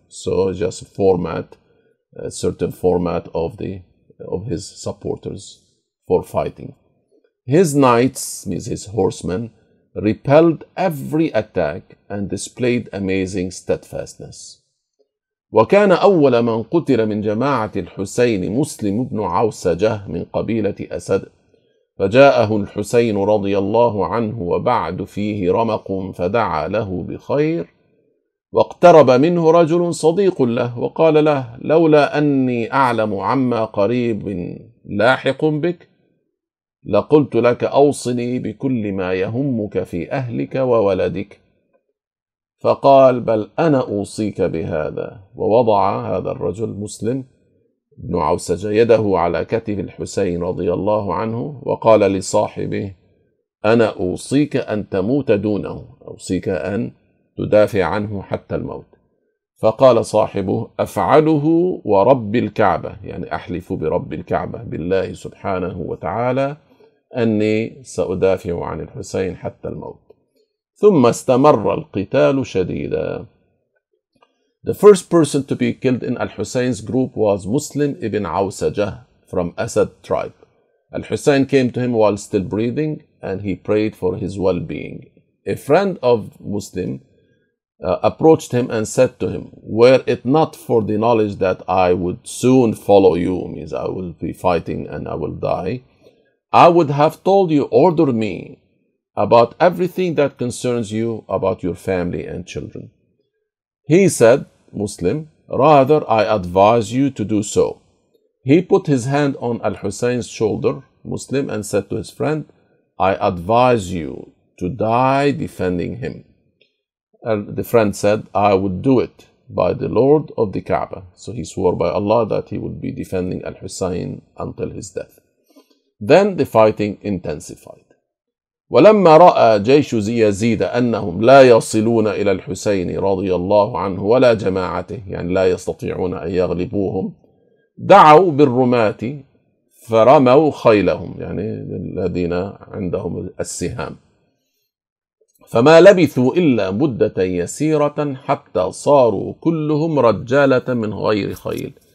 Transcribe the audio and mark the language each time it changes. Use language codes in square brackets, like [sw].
[en] So just format, a certain format of his supporters for fighting. His knights, means his horsemen, repelled every attack and displayed amazing steadfastness. [ar] وكان أول من قتل من جماعة الحسين مسلم بن عوسجة من قبيلة أسد فجاءه الحسين رضي الله عنه وبعد فيه رمق فدعا له بخير واقترب منه رجل صديق له وقال له لولا أني أعلم عما قريب لاحق بك لقلت لك أوصني بكل ما يهمك في أهلك وولدك فقال بل أنا أوصيك بهذا ووضع هذا الرجل مسلم بن عوسجة يده على كتف الحسين رضي الله عنه وقال لصاحبه أنا أوصيك أن تموت دونه أوصيك أن تدافع عنه حتى الموت فقال صاحبه أفعله ورب الكعبة يعني أحلف برب الكعبة بالله سبحانه وتعالى أني سأدافع عن الحسين حتى الموت ثم استمر القتال شديدا. [en] The first person to be killed in Al-Hussein's group was Muslim ibn Awsajah from Asad tribe. Al-Hussein came to him while still breathing and he prayed for his well-being. A friend of Muslim approached him and said to him, "Were it not for the knowledge that I would soon follow you, means I will be fighting and I will die, I would have told you, order me about everything that concerns you, about your family and children." He said, Muslim, "Rather, I advise you to do so." He put his hand on Al-Hussein's shoulder, Muslim, and said to his friend, "I advise you to die defending him." And the friend said, "I would do it by the Lord of the Kaaba." So he swore by Allah that he would be defending Al-Hussein until his death. Then the fighting intensified. [ar] ولما رأى جيش يزيد أنهم لا يصلون إلى الحسين رضي الله عنه ولا جماعته، يعني لا يستطيعون أن يغلبوهم، دعوا بالرماة فرموا خيلهم، يعني الذين عندهم السهام، فما لبثوا إلا مدة يسيرة حتى صاروا كلهم رجالة من غير خيل.